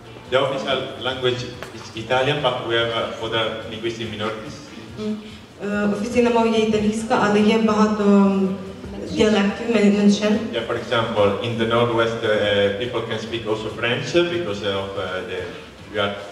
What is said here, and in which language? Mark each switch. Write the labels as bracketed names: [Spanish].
[English] The official language is Italian, but we have other linguistic minorities. [Ukrainian] Офіційна мова є італійська, але є багато діалектів, меншин. [English] Yeah, for example, in the northwest people can speak also French because of the